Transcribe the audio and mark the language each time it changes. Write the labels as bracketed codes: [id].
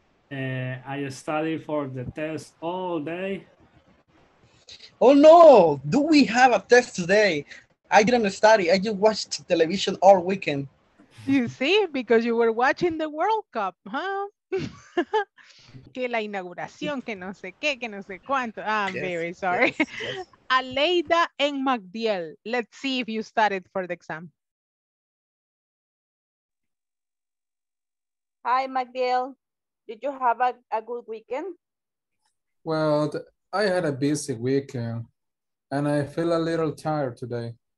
[en] I study for the test all day. Oh no! Do we have a test today? I didn't study. I just watched television all weekend. You see, because you were watching the World Cup, huh? [es] Que la inauguración, que no sé qué, que no sé cuánto. [en] I'm very sorry. Yes. Aleida and Magdiel. Let's see if you started for the exam. Hi, Magdiel. Did you have a good weekend? Well, I had a busy weekend and I feel a little tired today.